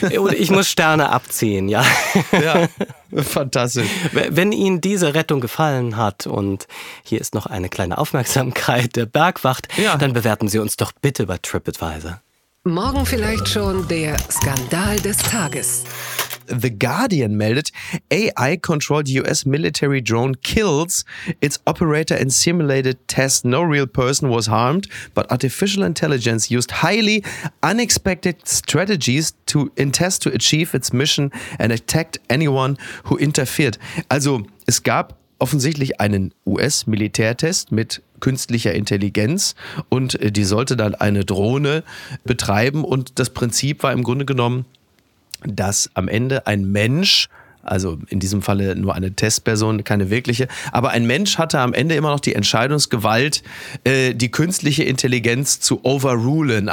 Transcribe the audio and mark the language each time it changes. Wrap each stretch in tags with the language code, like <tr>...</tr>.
<de>Und ich muss Sterne abziehen, ja. Ja, fantastisch. Wenn Ihnen diese Rettung gefallen hat und hier ist noch eine kleine Aufmerksamkeit der Bergwacht, dann bewerten Sie uns doch bitte bei TripAdvisor. Morgen vielleicht schon der Skandal des Tages.</de> <en>The Guardian meldet, AI-controlled US military drone kills its operator in simulated test. No real person was harmed, but artificial intelligence used highly unexpected strategies to achieve its mission and attacked anyone who interfered.</en> <de>Also es gab offensichtlich einen US-Militärtest mit künstlicher Intelligenz und die sollte dann eine Drohne betreiben und das Prinzip war im Grunde genommen, dass am Ende ein Mensch, also in diesem Falle nur eine Testperson, keine wirkliche, aber ein Mensch hatte am Ende immer noch die Entscheidungsgewalt, die künstliche Intelligenz zu overrulen.</de>